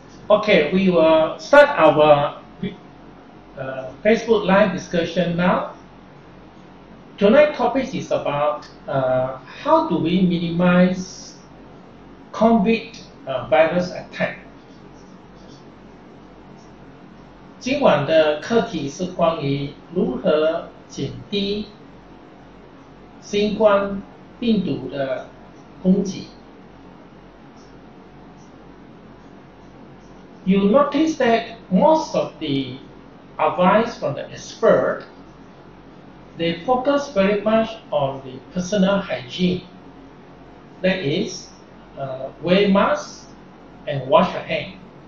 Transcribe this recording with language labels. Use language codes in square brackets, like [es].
[en] Okay, we will start our Facebook Live discussion now. Tonight's topic is about how do we minimize COVID virus attack. [zh] 今晚的课题是关于如何减低新冠病毒的攻击。 [en] You notice that most of the advice from the expert, they focus very much on the personal hygiene. That is, wear masks and wash your hands.